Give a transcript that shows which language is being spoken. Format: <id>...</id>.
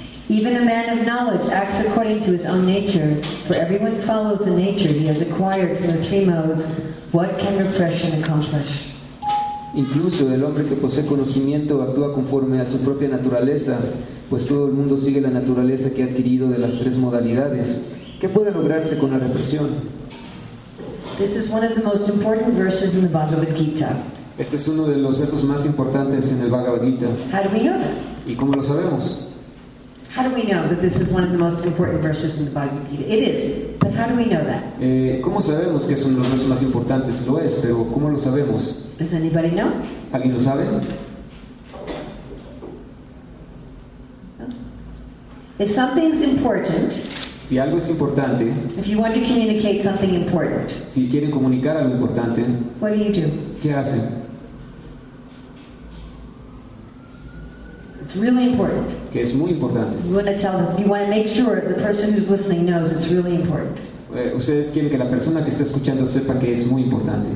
<en>Even a man of knowledge acts according to his own nature, for everyone follows the nature he has acquired from the three modes. What can repression accomplish?</en> <es>Incluso el hombre que posee conocimiento actúa conforme a su propia naturaleza, pues todo el mundo sigue la naturaleza que ha adquirido de las tres modalidades. ¿Qué puede lograrse con la represión?</es> <en>This is one of the most important verses in the Bhagavad Gita.</en> <es>Este es uno de los versos más importantes en el Bhagavad Gita.</es> <en>How do we know that?</en> <es>¿Y cómo lo sabemos?</es> <en>How do we know that this is one of the most important verses in the Bhagavad Gita? It is, but how do we know that?</en> <es>¿Cómo sabemos que es uno de los versos más importantes? Lo es, pero ¿cómo lo sabemos?</es> <en>Does anybody know?</en> <es>¿Alguien lo sabe?</es> <en>If something is important,</en> <es>si algo es importante,</es> <en>if you want to communicate something important,</en> <es>si quieren comunicar algo importante,</es> <en>what do you do?</en> <es>¿Qué hacen?</es> <en>It's really important.</en> <es>Que es muy importante.</es> <en>You want to tell them, you want to make sure the person who's listening knows it's really important.</en> <es>Ustedes quieren que la persona que está escuchando sepa que es muy importante.</es>